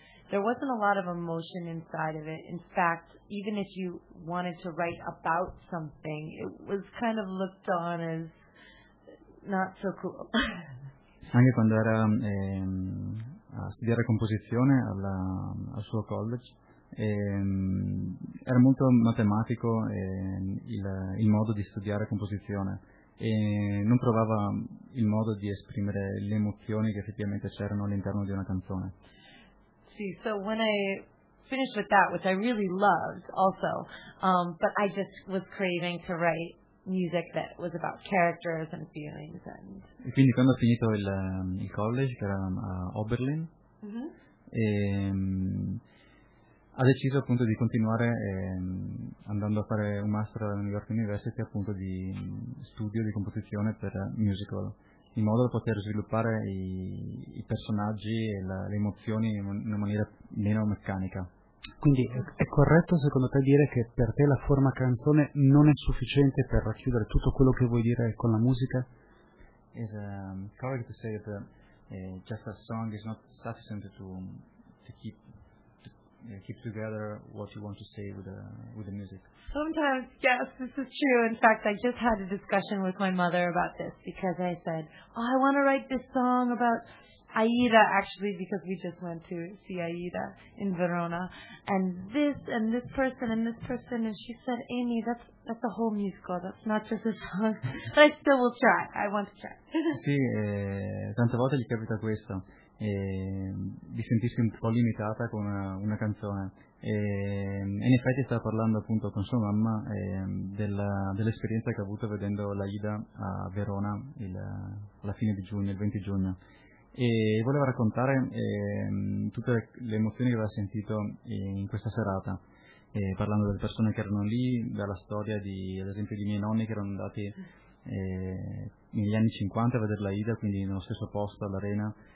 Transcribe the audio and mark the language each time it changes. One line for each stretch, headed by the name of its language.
English: There wasn't a lot of emotion inside of it. In fact, even if you wanted to write about something, it was kind of looked on as not so cool.
Italian: Anche quando era a studiare composizione al suo college, era molto matematico il modo di studiare composizione e non trovava il modo di esprimere le emozioni che effettivamente c'erano all'interno di una canzone.
English: So when I finished with that, which I really loved also, but I just was craving to write music that was about characters and feelings.
Italian: E quindi quando ho finito il college, che era a Oberlin, ha deciso appunto di continuare andando a fare un master alla New York University, appunto di studio di composizione per musical, in modo da poter sviluppare i personaggi e le emozioni in una maniera meno meccanica. Quindi è corretto secondo te dire che per te la forma canzone non è sufficiente per racchiudere tutto quello che vuoi dire con la musica?
English: It's correct to say that just a song is not sufficient to keep together what you want to say with the music. Sometimes, yes, this is true. In fact, I just had a discussion with my mother about this because I said, oh, I want to write this song about Aida, actually, because we just went to see Aida in Verona, and this person and this person, and she said, Amy, that's a whole musical, that's not just a song, but I still will try, I want to try.
Italian: Sì, tante volte gli capita questo, di sentirsi un po' limitata con una canzone. E in effetti stava parlando appunto con sua mamma dell'esperienza che ha avuto vedendo l'Aida a Verona alla fine di giugno, il 20 giugno, e voleva raccontare tutte le emozioni che aveva sentito in questa serata, parlando delle persone che erano lì, dalla storia di, ad esempio, di miei nonni che erano andati negli anni 50 a vedere l'Aida, quindi nello stesso posto all'arena.